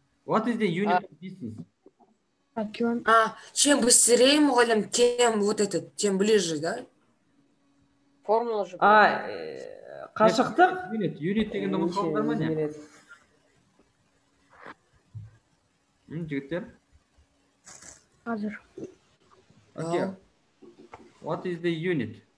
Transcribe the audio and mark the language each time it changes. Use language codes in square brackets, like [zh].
[en] What is the unit of distance? [ru] Чем быстрее мұғалім, тем вот этот, тем ближе, да? Формула же. [kk] Қашықтық? Unit дегенде мұқалымдар ма не? Жігіттер? Қазір. [en] Окей. What is the unit?